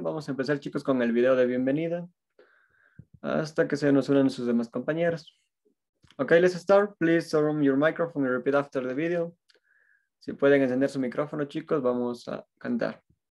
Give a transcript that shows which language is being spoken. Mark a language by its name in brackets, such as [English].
[Spanish] Vamos a empezar, chicos, con el video de bienvenida hasta que se nos unan sus demás compañeros. [English] Okay, let's start. Please turn on your microphone and repeat after the video. [Spanish] Si pueden encender su micrófono, chicos, vamos a cantar.